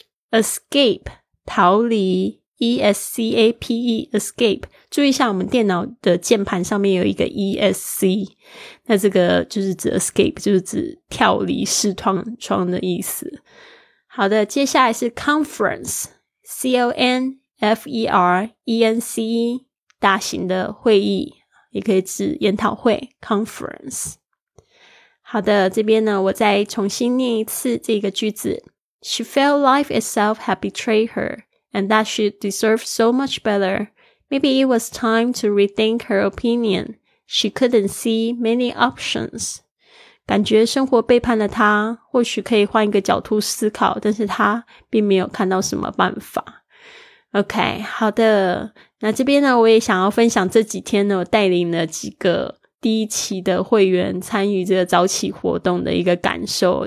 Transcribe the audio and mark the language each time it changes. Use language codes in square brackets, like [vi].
[zh] escape 逃离， E-S-C-A-P-E escape， 注意一下我们电脑的键盘上面有一个 E-S-C， 那这个就是指 escape， 就是指跳离视窗的意思。好的，接下来是 conference， C-O-N-F-E-R-E-N-C-E大型的会议，也可以指研讨会 conference。好的，这边呢我再重新念一次这个句子， [en] She felt life itself had betrayed her and that she deserved so much better. Maybe it was time to rethink her opinion. She couldn't see many options. [zh] 感觉生活背叛了她，或许可以换一个角度思考，但是她并没有看到什么办法。 OK， 好的。那这边呢，我也想要分享这几天呢，我带领了几个第一期的会员参与这个早起活动的一个感受。